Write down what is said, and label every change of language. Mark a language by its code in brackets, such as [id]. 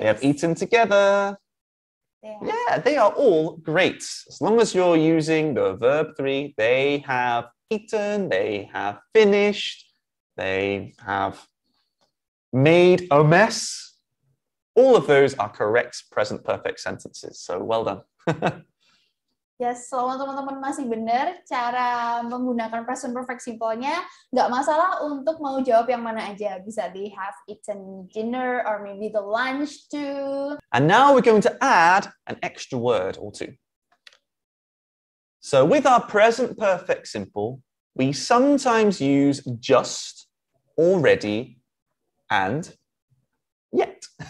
[en] They have eaten together. Yeah, they are all great. As long as you're using the verb three, they have eaten, they have finished, they have made a mess. All of those are correct present perfect sentences. So well done. [id] Yes, selama teman-teman masih benar cara menggunakan present perfect simple-nya, nggak masalah untuk mau jawab yang mana aja. Bisa di [en] have eaten dinner or maybe the lunch too. And now we're going to add an extra word or two. So with our present perfect simple, we sometimes use just, already, and yet.